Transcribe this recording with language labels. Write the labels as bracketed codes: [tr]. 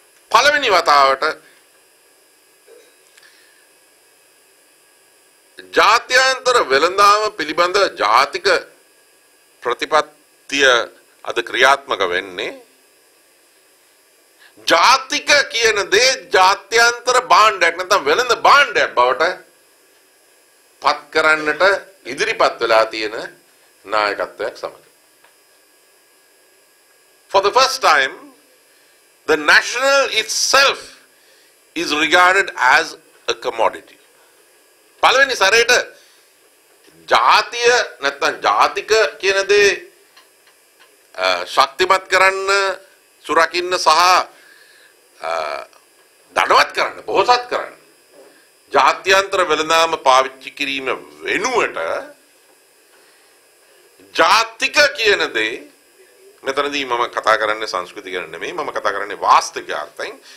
[si] පළවෙනි වතාවට ජාත්‍යන්තර වෙළඳාම පිළිබඳ ජාතික ප්‍රතිපත්තිය අද ක්‍රියාත්මක වෙන්නේ ජාතික කියන දේ ජාත්‍යන්තර භාණ්ඩයක් නැත්නම් වෙළඳ භාණ්ඩයක් බවට පත් කරන්නට ඉදිරිපත් වෙලා තියෙන නායකත්වයක් සමග. [en] For the first time, the national itself is regarded as a commodity. [si] පළවෙනි සැරේට ජාතිය නැත්නම් ජාතික කියන දේ ශක්තිමත් කරන්න, සුරකින්න සහ ධනවත් කරන්න, බොහොසත් කරන්න ජාත්‍යන්තර වෙළඳාම පාවිච්චි කිරීම වෙනුවට ජාතික කියන දේ, මෙතනදී මම කතා කරන්නේ සංස්කෘති ගැන නෙමෙයි, මම කතා කරන්නේ වාස්තික අර්ථයෙන්.